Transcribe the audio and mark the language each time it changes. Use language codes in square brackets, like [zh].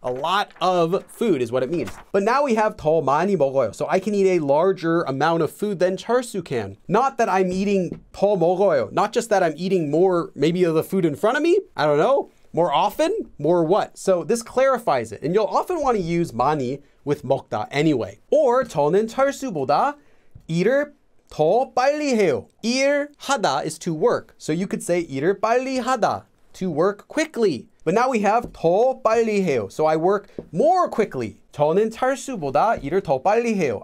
[en] A lot of food is what it means. But now we have [ko] 더 많이 먹어요. [en] So I can eat a larger amount of food than 철수 can. Not that I'm eating [ko] 더 먹어요. [en] Not just that I'm eating more maybe of the food in front of me. I don't know. More often, more what? So this clarifies it. And you'll often want to use 많이 with 먹다 anyway. [ko] Or 저는 철수보다 일을 더 빨리 해요. [en] 일 하다 is to work. So you could say [ko] 일을 빨리 하다, [en] to work quickly. But now we have [ko] 더 빨리 해요. [en] So I work more quickly. [ko] 저는 철수보다 일을 더 빨리 해요.